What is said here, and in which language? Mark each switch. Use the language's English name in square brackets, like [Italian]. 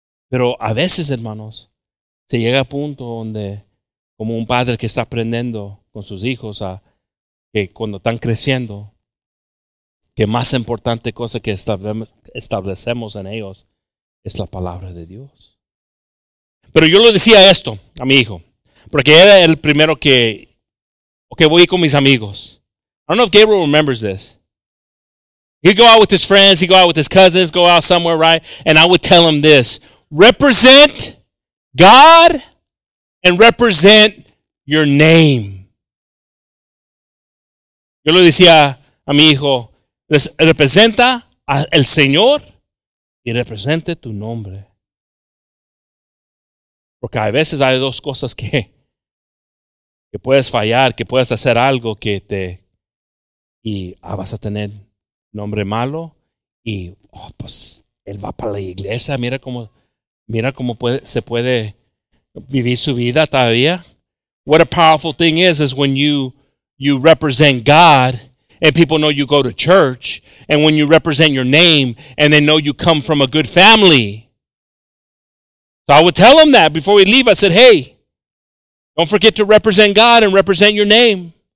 [Spanish] Pero a veces, hermanos, se llega a punto donde, como un padre que está aprendiendo con sus hijos, a que cuando están creciendo, que más importante cosa que establecemos en ellos es la palabra de Dios. Pero yo lo decía esto a mi hijo, porque era el primero que, okay, voy con mis amigos. [English] I don't know if Gabriel remembers this. He'd go out with his friends, he'd go out with his cousins, go out somewhere, right? And I would tell him this. Represent God and represent your name. [Spanish] Yo le decía a mi hijo, representa al Señor y represente tu nombre. Porque a veces hay dos cosas que puedes fallar, que puedes hacer algo que te... Y vas a tener nombre malo y, oh, pues, él va para la iglesia, mira cómo... Mira cómo se puede vivir su vida todavía. [English] What a powerful thing is when you represent God and people know you go to church, and when you represent your name and they know you come from a good family. So I would tell them that before we leave. I said, hey, don't forget to represent God and represent your name.